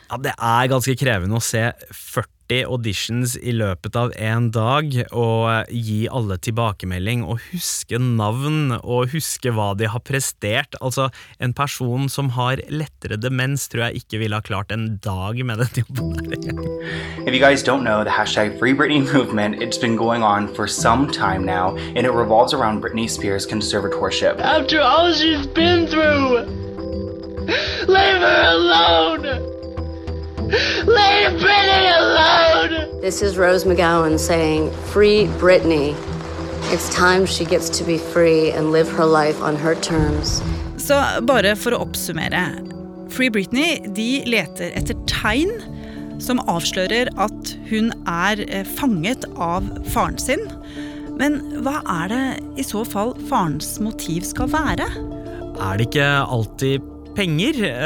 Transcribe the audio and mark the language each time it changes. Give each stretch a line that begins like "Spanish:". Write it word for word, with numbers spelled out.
Norwegian: Ja, det er ganske krevende å se førti auditions i løpet av en dag, og gi alle tilbakemelding, og huske navn, og huske hva de har prestert. Altså, en person som har lettere demens, tror jeg ikke ville ha klart en dag med den jobben der.
English: If you guys don't know, the hashtag Free Britney movement, it's been going on for some time now, and it revolves around Britney Spears' conservatorship. After all she's been through, leave her alone! Leave Britney alone! This is Rose McGowan saying, Free Britney. It's time she gets to be free and live her life on her terms.
Norwegian: Så bare for å oppsummere. Free Britney, de leter etter tegn som avslører at hun er fanget av faren sin. Men hva er det i så fall farens motiv skal være? Er det ikke alltid penger?